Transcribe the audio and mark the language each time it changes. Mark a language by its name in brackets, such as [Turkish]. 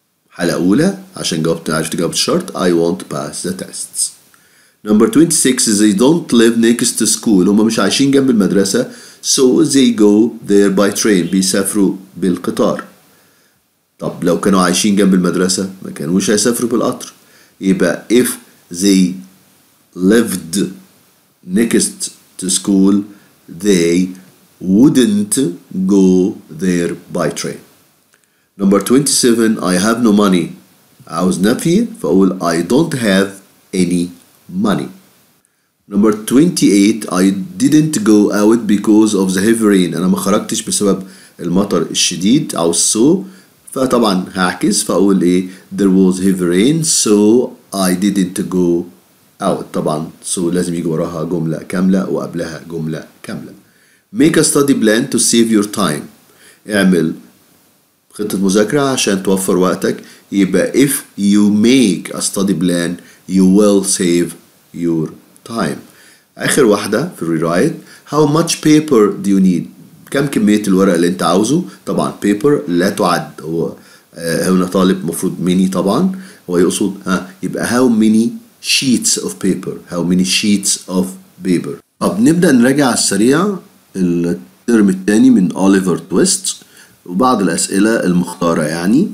[Arabic] حالة أولى عشان جاوبت عرفت جاوبت الشرط, [English] I won't pass the tests. Number 26, they don't live next to school. [Arabic] هما مش عايشين جنب المدرسة. [English] So they go there by train. [Arabic] بيسافروا بالقطار. طب لو كانوا عايشين جنب المدرسة ما كانوش هيسافروا بالقطر. [English] يبقى if they lived next to school they wouldn't go there by train. Number 27, I have no money. [Arabic] عاوز نفي فأقول [English] I don't have any money. Number 28, I didn't go out because of the heavy rain. [Arabic] أنا ما خرجتش بسبب المطر الشديد. عاوز [English] so [Arabic] فطبعا هعكس فأقول إيه [English] there was heavy rain so I didn't go out. [Arabic] طبعا so لازم يجي وراها جملة كاملة وقبلها جملة كاملة. [English] Make a study plan to save your time. [Arabic] اعمل خطة مذاكرة عشان توفر وقتك. [English] يبقى if you make a study plan you will save your time. [Arabic] آخر واحدة في [English] rewrite. How much paper do you need? [Arabic] كم كمية الورق اللي انت عاوزه؟ طبعا paper لا تعد. هو هنا طالب مفروض many طبعا. هو يقصد ها يبقى [English] how many sheets of paper. How many sheets of paper. [Arabic] طب نبدأ نراجع السريع الترم الثاني من Oliver Twist وبعض الأسئلة المختارة يعني.